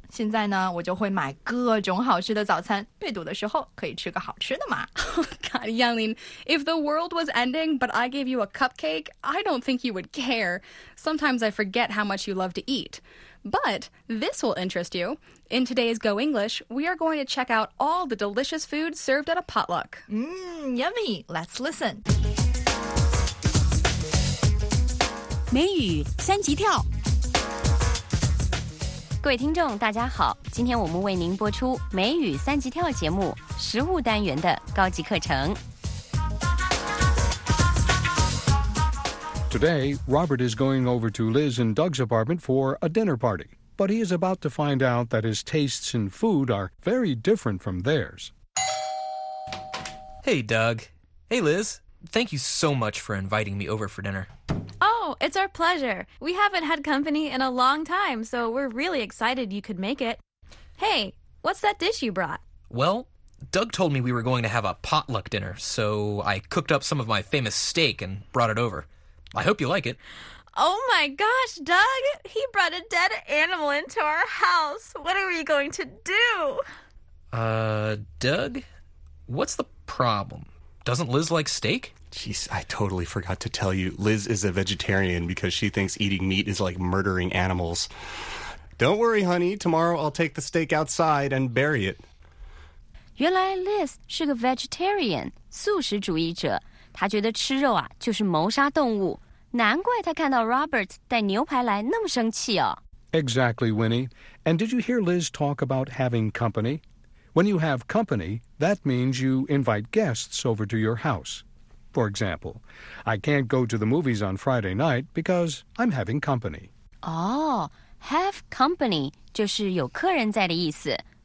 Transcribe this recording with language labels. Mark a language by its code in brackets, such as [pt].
[zh] 现在呢，我就会买各种好吃的早餐，被堵的时候可以吃个好吃的嘛。 [en] God, Yanling, if the world was ending but I gave you a cupcake, I don't think you would care. Sometimes I forget how much you love to eat. But this will interest you. In today's Go English, we are going to check out all the delicious food served at a potluck. Mmm, yummy. Let's listen. [zh] 美语三级跳。各位听众大家好，今天我们为您播出美语三级跳节目食物单元的高级课程。 [en] Today, Robert is going over to Liz and Doug's apartment for a dinner party, but he is about to find out that his tastes in food are very different from theirs. Hey, Doug. Hey, Liz. Thank you so much for inviting me over for dinner. Oh, it's our pleasure. We haven't had company in a long time, so we're really excited you could make it. Hey, what's that dish you brought? Well, Doug told me we were going to have a potluck dinner, so I cooked up some of my famous steak and brought it over. I hope you like it. Oh my gosh, Doug! He brought a dead animal into our house. What are we going to do? Doug? What's the problem? Doesn't Liz like steak? Jeez, I totally forgot to tell you. Liz is a vegetarian because she thinks eating meat is like murdering animals. Don't worry, honey. Tomorrow I'll take the steak outside and bury it. [zh] 原来 Liz 是个 vegetarian, 素食主义者。他觉得吃肉啊就是谋杀动物，难怪他看到 Robert 带牛排来那么生气哦。 [en] Exactly, Winnie. And did you hear Liz talk about having company? When you have company, that means you invite guests over to your house. For example, I can't go to the movies on Friday night because I'm having company. [zh] Oh, have company 就是有客人在的意思。